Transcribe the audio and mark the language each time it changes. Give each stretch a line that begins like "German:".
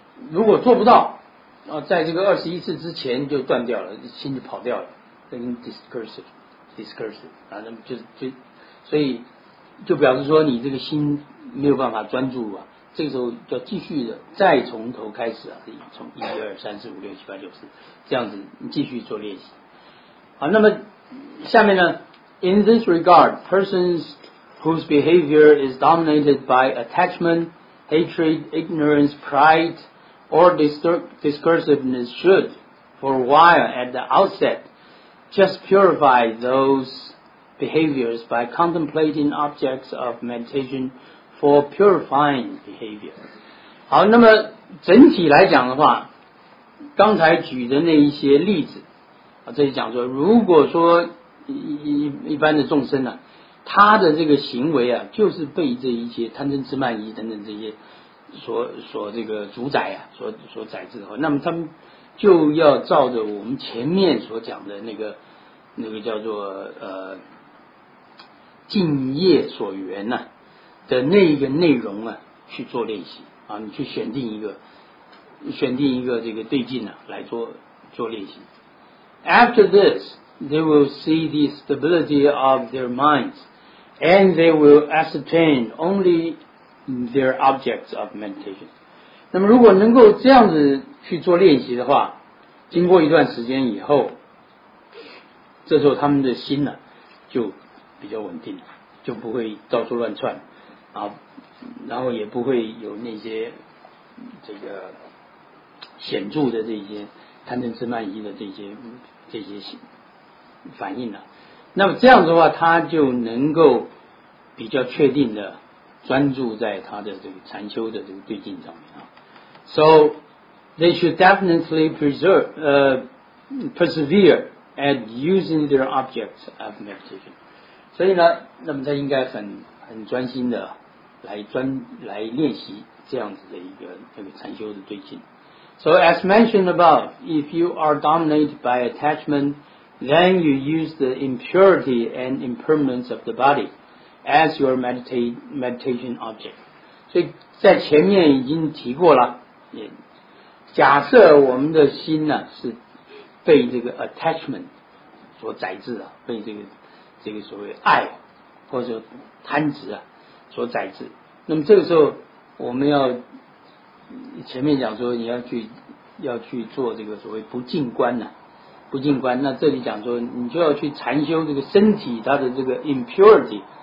Chinese: 如果做不到，在这个21次之前就断掉了，心就跑掉了，跟 discursive 啊，那么就所以就表示说你这个心没有办法专注啊。这个时候要继续的再从头开始啊，从1,2,3,4,5,6,7,8,9,10这样子继续做练习。好，那么下面呢，
English: In this regard, persons whose behavior is dominated by attachment, hatred, ignorance, pride, or discursiveness should, for a while at the outset, just purify those behaviors by contemplating objects of meditation for purifying behavior.
Chinese: 好，那么整体来讲的话，刚才举的那一些例子，这里讲说，如果说一般的众生呢，他的这个行为啊，就是被这一些贪嗔痴慢疑等等这些所这个主宰啊，所宰制的话，那么他们就要照着我们前面所讲的那个叫做敬业所缘呢、的那一个内容啊去做练习啊，你去选定一个这个对境呢、来做练习。
English: After this, they will see the stability of their minds. And they will ascertain only their objects of meditation.
Chinese: 那么如果能够这样子去做练习的话，经过一段时间以后，这时候他们的心呢、就比较稳定，就不会到处乱窜啊，然后也不会有那些这个显著的这些贪嗔痴慢疑的这些反应了。那么这样的话，他就能够比较确定的专注在他的这个禅修的这个对境上面啊。
English: So they should definitely persevere at using their objects of meditation.
Chinese: 所以呢，那么他应该很专心的来练习这样子的一个禅修的对境。
English: So as mentioned above, if you are dominated by attachment,Then you use the impurity and impermanence of the body as your meditation object.
Chinese: 所以在前面已经提过了，假设我们的心呢是被这个 attachment 所宰制啊，被这个所谓爱或者贪执啊所宰制，那么这个时候我们要前面讲说你要去做这个所谓不净观呢、不净观，那这里讲说你就要去禅修这个身体它的这个 impurity